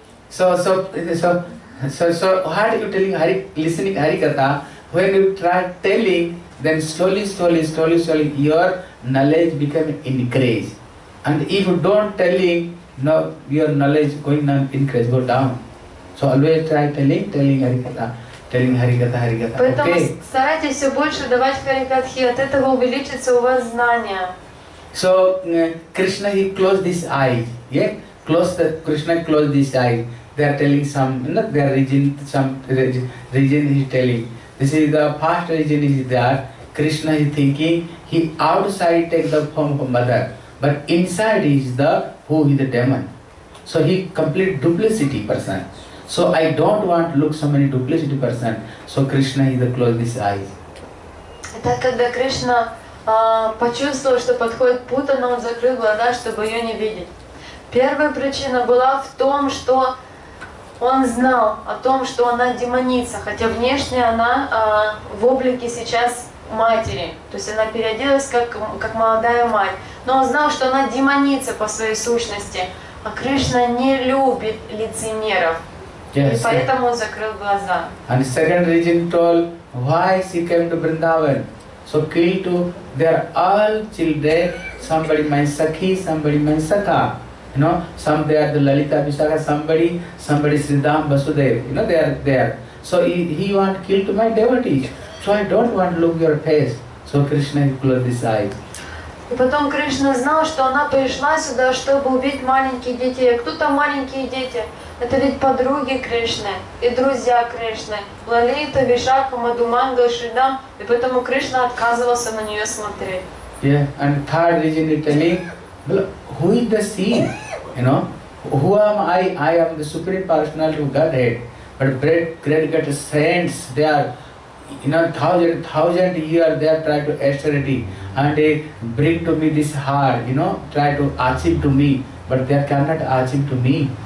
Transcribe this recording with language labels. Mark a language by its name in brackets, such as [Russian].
[English] So what are you telling Hari, listening Hari Katha, when you try telling, then slowly your knowledge become increased. And if you don't telling, now your knowledge going on increase, go down. So always try telling Hari Katha. [Russian] Поэтому старайтесь все больше давать Харикатхи, от этого увеличится у вас знания. [English] So Krishna he closed his eyes. Yeah? Krishna closed his eyes. They are telling some, not their region, some region he is telling. This is the first region is that Krishna is thinking he outside takes the form of mother. But inside is the who is the demon. So he complete duplicity person. So I don't want to look so many duplicity person. So Krishna is the closed his eyes. [Russian] Итак, когда Кришна почувствовал, что подходит путана, он закрыл глаза, чтобы ее не видеть. Первая причина была в том, что он знал о том, что она демоница, хотя внешне она в облике сейчас матери, то есть она переоделась как молодая мать, но он знал, что она демоница по своей сущности, а Кришна не любит лицемеров, [English] yes, [Russian] и поэтому он закрыл глаза. [English] And second reason told why she came to Vrindavan, so kill to their all children, somebody my sakhi, somebody my saka. You know, some they are the Lalita Vishaka, somebody Sridham Vasudev, you know, they are there. So he want to kill to my devotees. So I don't want to look your face. So Krishna closed his eyes. [Russian] И потом Кришна знал, что она пришла сюда, чтобы убить маленьких детей. Кто там маленькие дети? Это ведь подруги Кришны и друзья Кришны. Лалита, Вишака, Мадуманга, Шридам. И поэтому Кришна отказывался на нее смотреть. [English] Yeah, and third region is telling, who is the seed? You know, who am I? I am the Supreme Personality of Godhead. But great saints, they are, you know, thousand years they are trying to austerity and they bring to me this heart, you know, try to achieve to me, but they cannot achieve to me.